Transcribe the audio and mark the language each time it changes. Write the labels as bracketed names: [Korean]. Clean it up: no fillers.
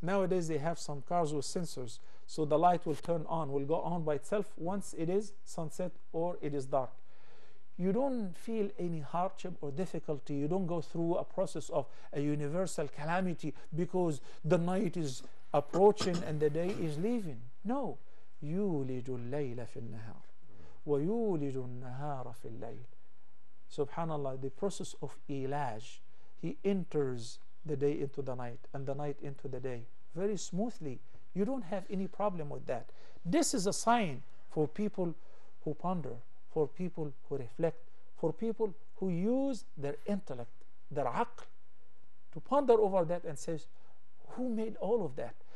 [English] Nowadays they have some cars with sensors, so the light will turn on, will go on by itself once it is sunset or it is dark. You don't feel any hardship or difficulty. You don't go through a process of a universal calamity because the night is approaching and the day is leaving. No. [Arabic] يولج الليل في النهار ويولج النهار في الليل. [English] Subhanallah, the process of ilaj, he enters the day into the night and the night into the day very smoothly. You don't have any problem with that. This is a sign for people who ponder, for people who reflect, for people who use their intellect, their aql, to ponder over that and say, who made all of that?